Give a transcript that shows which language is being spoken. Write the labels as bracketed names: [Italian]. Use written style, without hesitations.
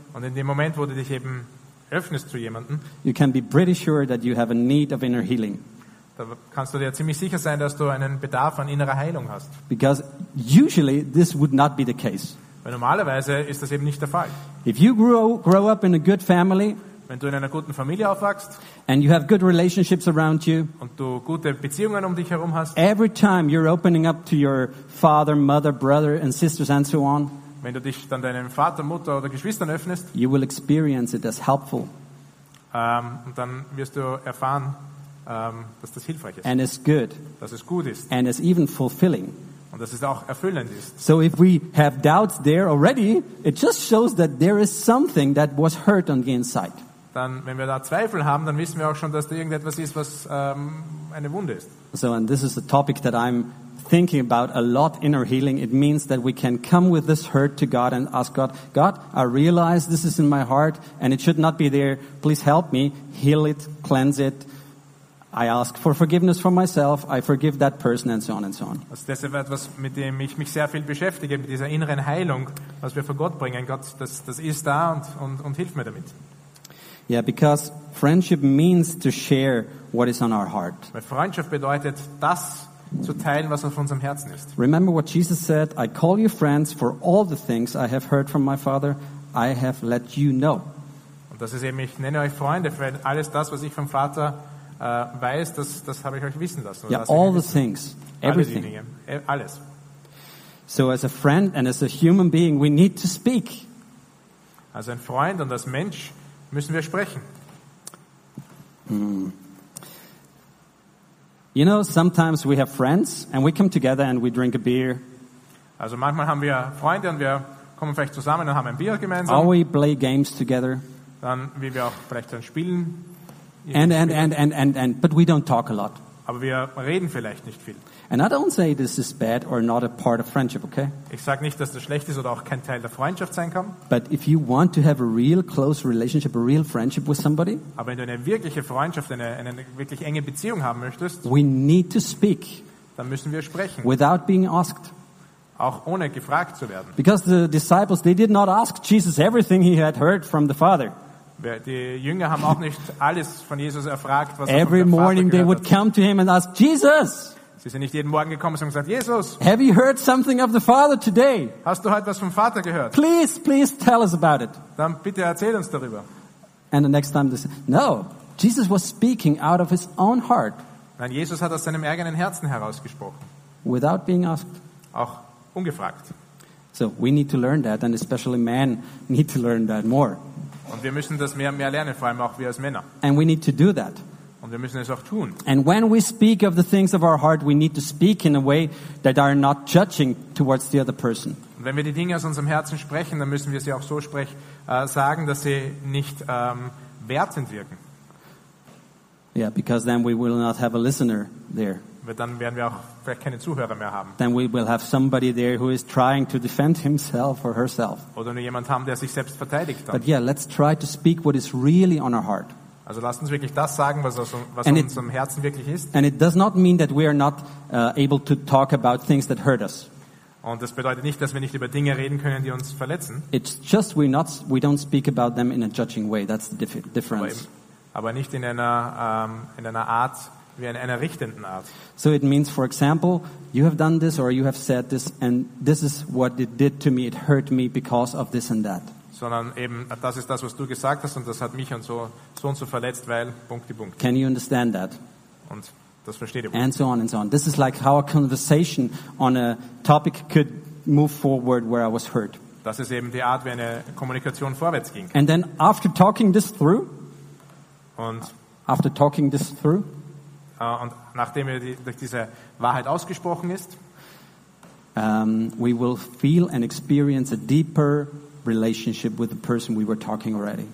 [German] und in dem Moment, wo du dich eben öffnest zu jemanden, [English] you can be pretty sure that you have a need of inner healing. [German] Da kannst du dir ziemlich sicher sein, dass du einen Bedarf an innerer Heilung hast. [English] Because usually this would not be the case. [German] Weil normalerweise ist das eben nicht der Fall. [English] If you grow up in a good family, [German] wenn du in einer guten Familie aufwachst, [English] and you have good relationships around you, [German] und du gute Beziehungen um dich herum hast, [English] every time you're opening up to your father, mother, brother and sisters and so on, [German] wenn du dich dann deinem Vater, Mutter oder Geschwistern öffnest, [English] you will experience it as helpful. [German] Und dann wirst du erfahren, dass das hilfreich ist. [English] And it's good. [German] Dass es gut ist. [English] And it's even fulfilling. [German] Und dass es auch erfüllend ist. [English] So if we have doubts there already, it just shows that there is something that was hurt on the inside. [German] Dann, wenn wir da Zweifel haben, dann wissen wir auch schon, dass da irgendetwas ist, was eine Wunde ist. [English] So, and this is a topic that I'm thinking about a lot, inner healing. It means that we can come with this hurt to God and ask God, God, I realize this is in my heart and it should not be there. Please help me heal it, cleanse it. I ask for forgiveness for myself. I forgive that person and so on and so on. [German] Das ist etwas, mit dem ich mich sehr viel beschäftige, mit dieser inneren Heilung, was wir vor Gott bringen. Gott, das ist da und hilf mir damit. [English] Yeah, because friendship means to share what is on our heart. [German] Weil Freundschaft bedeutet, das zu teilen, was auf unserem Herzen ist. [English] Remember what Jesus said, I call you friends for all the things I have heard from my Father, I have let you know. [German] Und das ist eben, ich nenne euch Freunde, für alles das, was ich vom Vater weiß, das habe ich euch wissen lassen. [English] Yeah, [German] das [English] all the things, everything. [German] Alles. [English] So as a friend and as a human being, we need to speak. [German] Als ein Freund und als Mensch müssen wir sprechen. [English] You know, sometimes we have friends and we come together and we drink a beer. [German] Also manchmal haben wir Freunde und wir kommen vielleicht zusammen und haben ein Bier gemeinsam. [English] Or we play games together. [German] Dann wie wir auch vielleicht dann spielen. [English] And but we don't talk a lot. [German] Aber wir reden vielleicht nicht viel. [English] And I don't say this is bad or not a part of friendship, okay? [German] Ich sag nicht, dass das schlecht ist oder auch kein Teil der Freundschaft sein kann. [English] But if you want to have a real close relationship, a real friendship with somebody, [German] aber wenn du eine wirkliche Freundschaft, eine wirklich enge Beziehung haben möchtest, [English] we need to speak. [German] Dann müssen wir sprechen. [English] Without being asked. [German] Auch ohne gefragt zu werden. [English] Because the disciples, they did not ask Jesus everything he had heard from the Father. [German] Die Jünger haben auch nicht alles von Jesus erfragt, was [English] every [German] er [English] morning they would [German] hat. [English] Come to him and ask Jesus. [German] Sie sind nicht jeden Morgen gekommen und gesagt, Jesus. [English] Have you heard something of the Father today? [German] Hast du heute was vom Vater gehört? [English] Please tell us about it. [German] Dann bitte erzähl uns darüber. [English] And the next time they say, no, Jesus was speaking out of his own heart. [German] Nein, Jesus hat aus seinem eigenen Herzen herausgesprochen. [English] Without being asked. [German] Auch ungefragt. [English] So we need to learn that, and especially men need to learn that more. [German] Und wir müssen das mehr und mehr lernen, vor allem auch wir als Männer. [English] And we need to do that. [German] Und wir müssen es auch tun. [English] And when we speak of the things of our heart, we need to speak in a way that are not judging towards the other person. [German] Und wenn wir die Dinge aus unserem Herzen sprechen, dann müssen wir sie auch so sagen, dass sie nicht wertend wirken. [English] Yeah, because then we will not have a listener there. [German] Weil dann werden wir auch vielleicht keine Zuhörer mehr haben. [English] Then we will have somebody there who is trying to defend himself or herself. [German] Oder nur jemand haben, der sich selbst verteidigt dann. [English] But yeah, let's try to speak what is really on our heart. [German] Also lasst uns wirklich das sagen, was in unserem Herzen wirklich ist. [English] And it does not mean that we are not able to talk about things that hurt us. [German] Und das bedeutet nicht, dass wir nicht über Dinge reden können, die uns verletzen. [English] It's just we don't speak about them in a judging way. That's the difference. [German] Aber nicht in einer Art, wie in einer richtenden Art. [English] So it means, for example, you have done this or you have said this, and this is what it did to me. It hurt me because of this and that. [German] Sondern eben, das ist das, was du gesagt hast, und das hat mich und so verletzt, weil Punkt, die Punkt. [English] Can you understand that? [German] Und das versteht ihr. [English] And so on and so on. This is like how a conversation on a topic could move forward where I was hurt. [German] Das ist eben die Art, wie eine Kommunikation vorwärts ging. [English] And then after talking this through, [German] und [English] after talking this through, [German] und nachdem durch diese Wahrheit ausgesprochen ist, [English] we will feel and experience a deeper relationship with the person we were talking already.